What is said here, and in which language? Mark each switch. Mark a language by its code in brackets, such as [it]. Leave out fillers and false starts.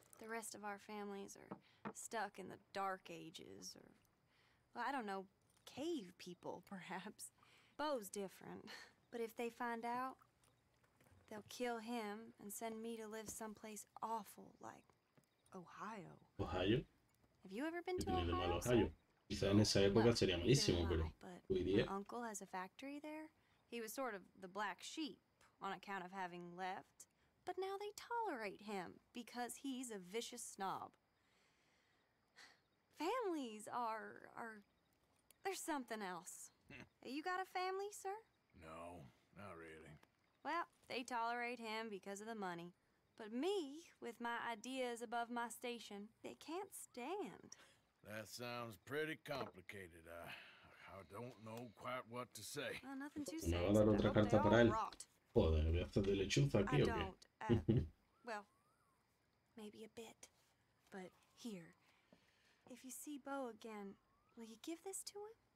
[en] The rest of our families are stuck in the Dark Ages, or. Well, I don't know, cave people, perhaps. Bo's different. But if they find out, they'll kill him and send me to live someplace awful, like Ohio. Ohio? Have you ever been to Ohio? [es] Quizá en esa época sería malísimo, pero hoy día... [en] My uncle has a factory there. He was sort of the black sheep on account of having left. But now they tolerate him because he's a vicious snob. Families are there's something else. You got a family, sir? No, not really. Well, they tolerate him because of the money. But me, with my ideas above my station, they can't stand. That sounds pretty complicated. I don't know quite what to say. Well, nothing to say. [es] Me va a dar otra carta para él. Joder, voy a hacer de lechuza aquí, ¿o qué? [en] Well, maybe a bit. But here. If you see Bo again, will you give this to him?